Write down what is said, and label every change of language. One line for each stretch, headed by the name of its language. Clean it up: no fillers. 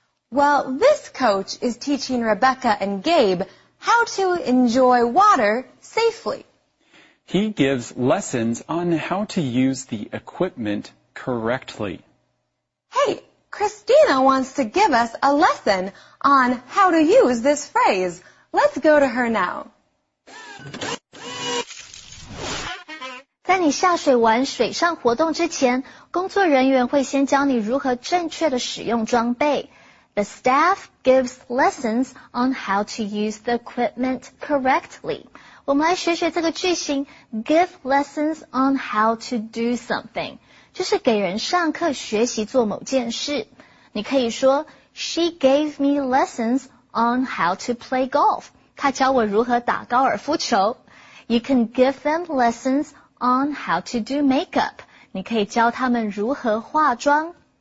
English: Well, this coach is teaching Rebecca and Gabe how to enjoy water safely. He gives lessons on how to use the equipment correctly. Hey, Christina wants to give us a lesson on how to use this phrase. Let's go to her now.
Chinese: 在你下水玩水上活动之前，工作人员会先教你如何正确的使用装备。
English: The staff gives lessons on how to use the equipment correctly.
Chinese: 我们来学学这个句型 give lessons on how to do something, 就是给人上课学习做某件事。
English: 你可以说 She gave me lessons on how to play golf.
Chinese: 她教我如何打高尔夫球。
English: You can give them lessons on how to do makeup.
Chinese: 你可以教他们如何化妆。